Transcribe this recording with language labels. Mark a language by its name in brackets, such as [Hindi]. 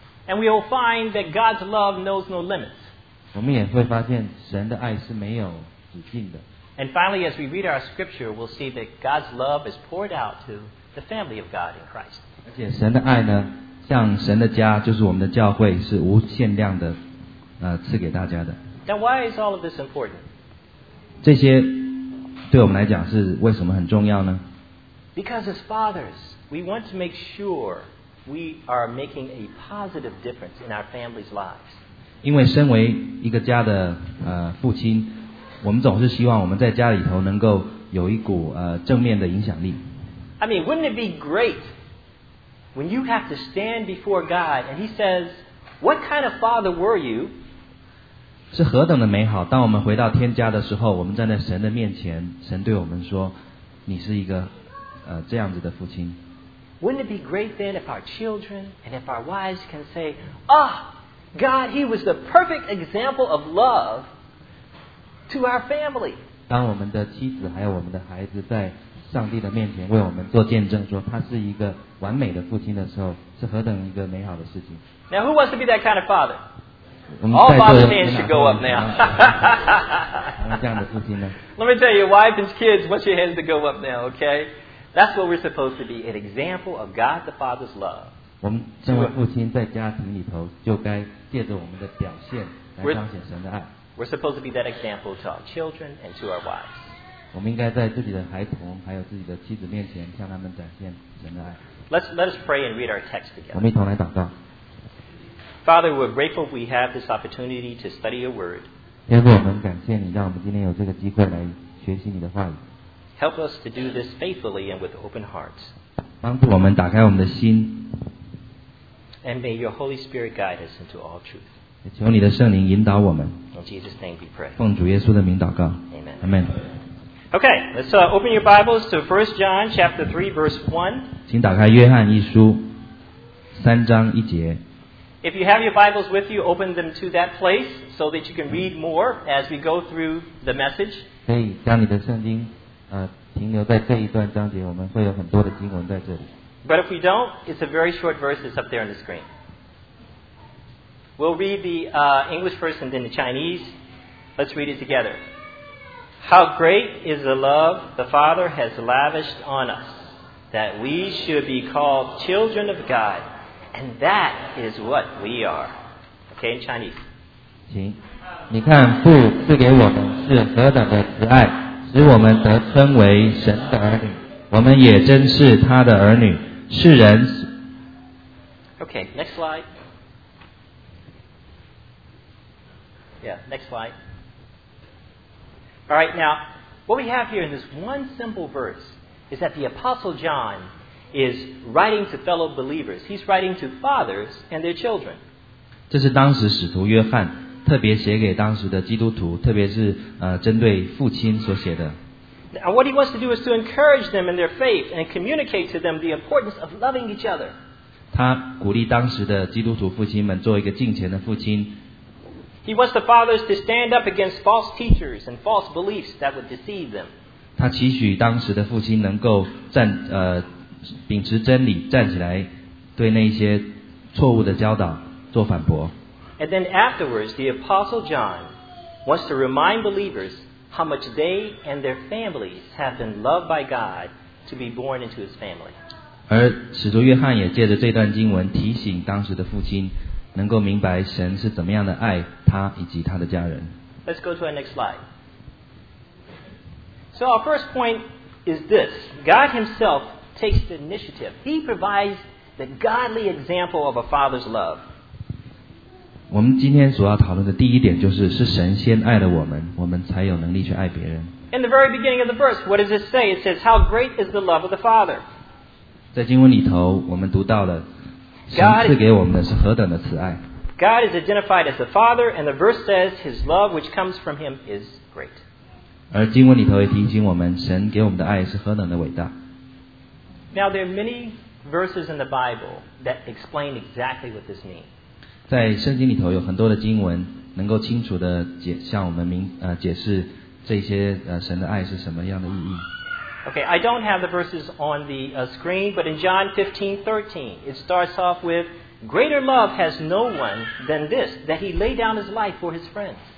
[English] And we will find that God's love knows no limits. [Chinese] 我们也会发现神的爱是没有止境的。 [English] And finally, as we read our scripture, we'll see that God's love is poured out to the family of God in Christ. [Chinese] 而且神的爱呢，像神的家，就是我们的教会，是无限量的，赐给大家的。 [English] Now why is all of this important? [Chinese] 这些对我们来讲是为什么很重要呢？ [English] Because as fathers, we want to make sure we are making a positive difference in our families' lives. [Chinese] 因为身为一个家的父亲，我们总是希望我们在家里头能够有一股正面的影响力。 [English] I mean, wouldn't it be great when you have to stand before God and He says, "What kind of father were you?" [Chinese] 是何等的美好！当我们回到天家的时候，我们站在神的面前，神对我们说：“你是一个这样子的父亲。” [English] Wouldn't it be great then if our children and if our wives can say, "Ah, God, He was the perfect example of love to our family." [Chinese] 当我们的妻子还有我们的孩子在上帝的面前为我们做见证，说他是一个完美的父亲的时候，是何等一个美好的事情。 [English] Now who wants to be that kind of father? All father's hands should go up now. [Chinese] 这样的父亲呢 [English] ？Let me tell you, wife and kids, want your hands to go up now, okay? That's what we're supposed to be, an example of God the Father's love. [Chinese] 我们身为父亲，在家庭里头就该借着我们的表现来彰显神的爱。 [English] We're supposed to be that example to our children and to our wives. [Chinese] 我们应该在自己的孩童还有自己的妻子面前向他们展现神的爱。 [English] Let us pray and read our text together. [Chinese] 我们一同来祷告。 [English] Father, we're grateful we have this opportunity to study your word. [Chinese] 天父，我们感谢你，让我们今天有这个机会来学习你的话语。 [English] Help us to do this faithfully and with open hearts. [Chinese] 帮助我们打开我们的心。 [English] And may your Holy Spirit guide us into all truth. [Chinese] 求你的圣灵引导我们。 [English] In Jesus' name we pray. [Chinese] 奉主耶稣的名祷告。 [English] Amen. Amen. Okay, let's open your Bibles to 1 John chapter 3, verse 1. [Chinese] 请打开约翰一书三章一节。 [English] If you have your Bibles with you, open them to that place so that you can read more as we go through the message. [Chinese] 可以将你的圣经停留在这一段章节，我们会有很多的经文在这里。 [English] But if we don't, it's a very short verse that's up there on the screen. We'll read the English first and then the Chinese. Let's read it together. How great is the love the Father has lavished on us, that we should be called children of God, and that is what we are. Okay, in Chinese. [Chinese] 行，你看父赐给我们是何等的慈爱，使我们得称为神的儿女，我们也真是他的儿女，世人。 [English] Okay, next slide. Yeah, next slide. All right, now, what we have here in this one simple verse is that the Apostle John is writing to fellow believers. He's writing to fathers and their children. [Chinese] 这是当时使徒约翰特别写给当时的基督徒，特别是针对父亲所写的。 [English] Now, what he wants to do is to encourage them in their faith and communicate to them the importance of loving each other. [Chinese] 他鼓励当时的基督徒父亲们做一个敬虔的父亲。 [English] He wants the fathers to stand up against false teachers and false beliefs that would deceive them. [Chinese] 他期许当时的父亲能够站秉持真理站起来，对那些错误的教导做反驳。 [English] And then afterwards, the Apostle John wants to remind believers how much they and their families have been loved by God to be born into His family. [Chinese] 而使徒约翰也借着这段经文提醒当时的父亲。能够明白神是怎么样的爱他以及他的家人。 [English] Let's go to our next slide. So our first point is this. God himself takes the initiative. He provides the godly example of a father's love. [Chinese] 我们今天所要讨论的第一点就是是神先爱了我们，我们才有能力去爱别人。 [English] In the very beginning of the verse, what does it say? It says, how great is the love of the Father. [Chinese] 在经文里头我们读到了神赐给我们的是何等的慈爱。 [English] God is identified as the Father, and the verse says His love, which comes from Him, is great. [Chinese] 而经文里头也提醒我们，神给我们的爱是何等的伟大。 [English] Now there are many verses in the Bible that explain exactly what this means. [Chinese] 在圣经里头有很多的经文能够清楚的向我们解释这些神的爱是什么样的意义。 [English] Okay, I don't have the verses on the screen, but in John 15:13, it starts off with, Greater love has no one than this, that he lay down his life for his friends.